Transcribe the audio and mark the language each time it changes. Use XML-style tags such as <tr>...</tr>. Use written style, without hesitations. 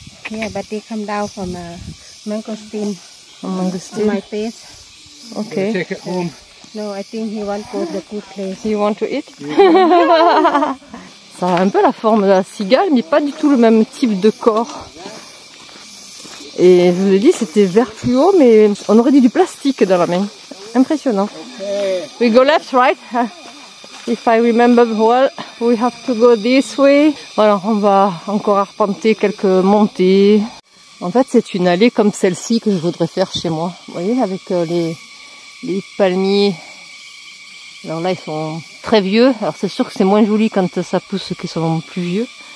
<en>Yeah, but they come down from a mangosteen. From mangosteen. My face. Okay. Take it home. No, I think he want to go to the good place. You want to eat?</en> <fr>Ça a un peu la forme de la cigale, mais pas du tout le même type de corps. Et je vous l'ai dit, c'était vert fluo, mais on aurait dit du plastique dans la main.</fr> <en>Impressionnant. We go left, right? If I remember well, we have to go this way.</en> <fr>Voilà, on va encore arpenter quelques montées. En fait, c'est une allée comme celle-ci que je voudrais faire chez moi. Vous voyez, avec les palmiers. Alors là, ils sont très vieux. Alors c'est sûr que c'est moins joli quand ça pousse qu'ils sont plus vieux.</fr>